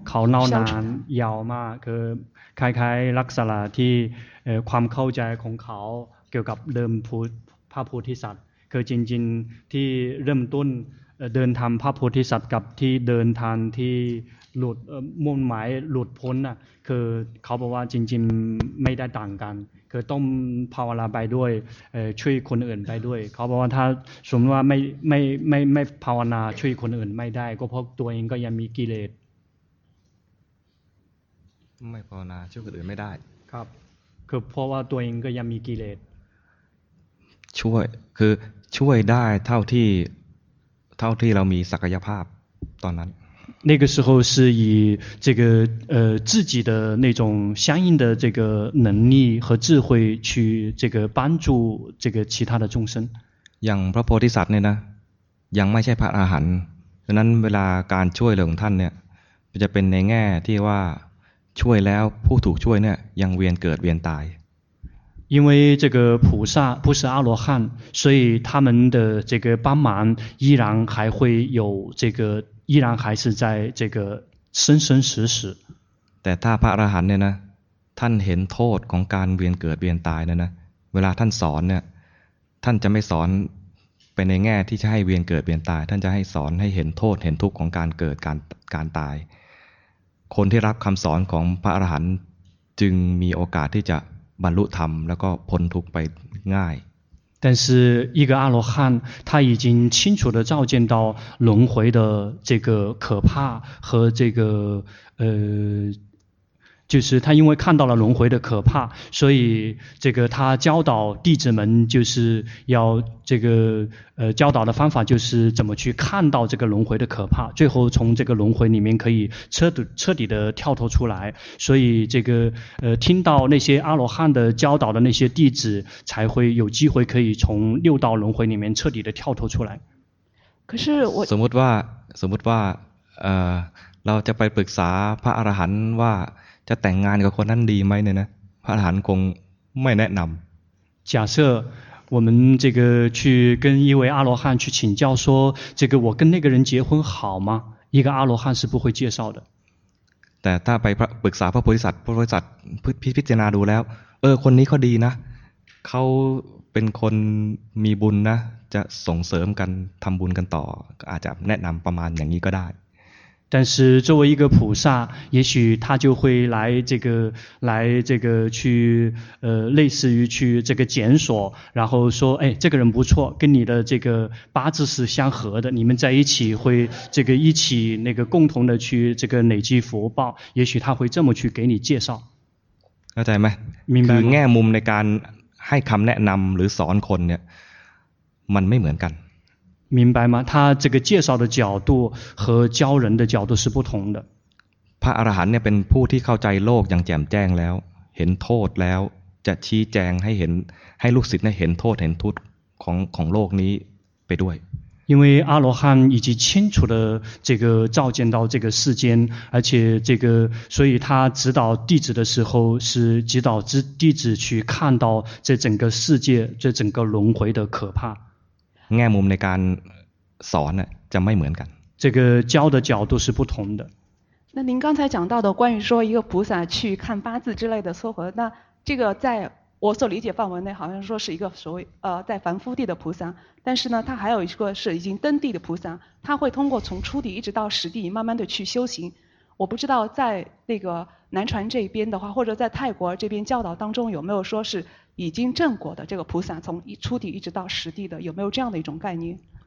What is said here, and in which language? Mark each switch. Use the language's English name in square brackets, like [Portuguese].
[Thai] เล่านานยาวมากคือคล้ายๆลักษณะที่ความเข้าใจของเขาเกี่ยวกับเดิมพุทธพระโพธิสัตว์คือจริงๆที่เริ่มต้นเดินทางพระโพธิสัตว์กับที่เดินทางที่หลุดมุ่งหมายหลุดพ้นน่ะคือเขาบอกว่าจริงๆไม่ได้ต่างกันคือต้องภาวนาไปด้วยช่วยคนอื่นไปด้วยเขาบอกว่าถ้าสมมติว่าไม่ภาวนาช่วยคนอื่นไม่ได้ก็เพราะตัวเองก็ยังมีกิเลส ไม่ภาวนาช่วยคนอื่นไม่ได้ครับคือเพราะว่าตัวเองก็ยังมีกิเลส ช่วยคือช่วยได้เท่าที่เรามีศักยภาพตอนนั้น [Chinese] 那个时候是以这个自己的那种相应的这个能力和智慧去这个帮助这个其他的众生。 [Thai] อย่างพระโพธิสัตว์เนี่ยนะยังไม่ใช่พระอรหันต์ฉะนั้นเวลาการช่วยเหลืองท่านเนี่ยจะเป็นในแง่ที่ว่าช่วยแล้วผู้ถูกช่วยเนี่ยยังเวียนเกิดเวียนตาย [Chinese] 因为这个菩萨不是阿罗汉，所以他们的这个帮忙依然还会有这个，依然还是在这个生生死死。 [Thai] แต่ถ้าพระอรหันต์เนี่ยนะท่านเห็นโทษของการเวียนเกิดเวียนตายเนี่ยนะเวลาท่านสอนเนี่ยท่านจะไม่สอนไปในแง่ที่จะให้เวียนเกิดเวียนตายท่านจะให้สอนให้เห็นโทษเห็นทุกข์ของการเกิดการตายคนที่รับคำสอนของพระอรหันต์จึงมีโอกาสที่จะบรรลุธรรมแล้วก็พ้นทุกข์ไปง่าย [Chinese] 但是一个阿罗汉他已经清楚地照见到轮回的这个可怕和这个就是他因为看到了轮回的可怕所以这个他教导弟子们就是要这个教导的方法就是怎么去看到这个轮回的可怕最后从这个轮回里面可以彻底的跳脱出来所以这个听到那些阿罗汉的教导的那些弟子才会有机会可以从六道轮回里面彻底的跳脱出来可是我 [Thai] สมมติว่าเราจะไปปรึกษาพระอรหันต์ว่าจะแต่งงานกับคนนั้นดีไหมเนี่ยนะพระอรหันต์คงไม่แนะนำ [Chinese] 假设我们这个去跟一位阿罗汉去请教说这个我跟那个人结婚好吗一个阿罗汉是不会介绍的 [Thai] แต่ถ้าไปปรึกษาพระโพธิสัตว์พระโพธิสัตว์พิจารณาดูแล้วเออคนนี้เขาดีนะเขาเป็นคนมีบุญนะจะส่งเสริมกันทำบุญกันต่ออาจจะแนะนำประมาณอย่างนี้ก็ได้ [Chinese] 但是作为一个菩萨，也许他就会来这个去类似于去这个检索，然后说，哎，这个人不错，跟你的这个八字是相合的，你们在一起会这个一起那个共同的去这个累积福报，也许他会这么去给你介绍。了解吗？明白。 [Thai] คือแง่มุมในการให้คำแนะนำหรือสอนคนเนี่ยมันไม่เหมือนกัน [Chinese] 明白吗？他这个介绍的角度和教人的角度是不同的。 [Thai] พระอรหันต์เนี่ยเป็นผู้ที่เข้าใจโลกอย่างแจ่มแจ้งแล้วเห็นโทษแล้วจะชี้แจงให้เห็นให้ลูกศิษย์เนี่ยเห็นโทษเห็นทุกข์ของโลกนี้ไปด้วย [Chinese] 因为阿罗汉已经清楚的这个照见到这个世间，而且这个，所以他指导弟子的时候是指导弟子去看到这整个世界、这整个轮回的可怕。 [Thai] แง่มุมในการสอนน่ะจะไม่เหมือนกัน [Chinese] 这个教的角度是不同的那您刚才讲到的关于说一个菩萨去看八字之类的说法那这个在我所理解范围内好像说是一个所谓在凡夫地的菩萨但是呢他还有一个是已经登地的菩萨他会通过从初地一直到实地慢慢的去修行我不知道在那个南传这边的话或者在泰国这边教导当中有没有说是已经证果的这个菩萨从初地一直到实地的有没有这样的一种概念